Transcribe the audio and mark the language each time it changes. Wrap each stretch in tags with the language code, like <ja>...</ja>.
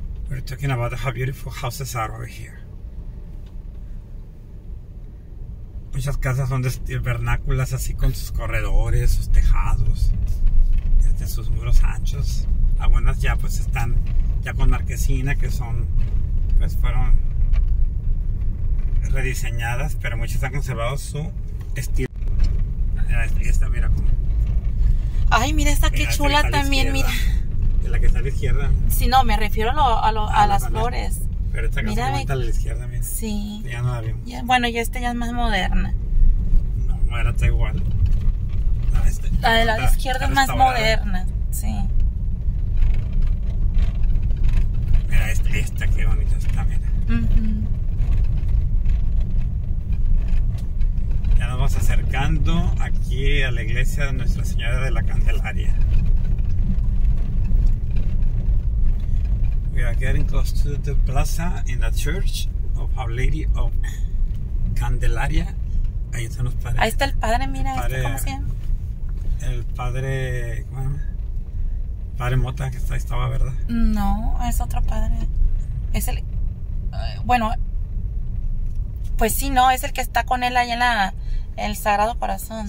<en>We're talking about how beautiful houses are over here.</en> <es>Muchas casas son de vernáculas, así con sus corredores, sus tejados, desde sus muros anchos. Algunas ya pues están ya con marquesina, que son, pues fueron rediseñadas, pero muchas han conservado su estilo. Esta, mira cómo. Ay, mira esta, qué chula también, mira. De la que está a la izquierda. Sí, no, me refiero a las flores. Pero esta casa está a la izquierda, mira. Sí. Ya no la vimos. Ya, bueno, ya esta ya es más moderna. No, bueno, está igual. La de la izquierda es más moderna, sí. Mira, esta qué bonita está, mira. Ya nos vamos acercando aquí a la iglesia de Nuestra Señora de la Candelaria.</es> <en>We are getting close to the plaza in the church of Our Lady of Candelaria.</en> <es>Ahí están los padres. Ahí está el padre, mira, ¿cómo se llama? El padre, ¿cómo se llama? Padre Mota, que está ahí estaba, ¿verdad? No, es otro padre. Es el, bueno, pues sí, no, es el que está con él ahí en el Sagrado Corazón.</es>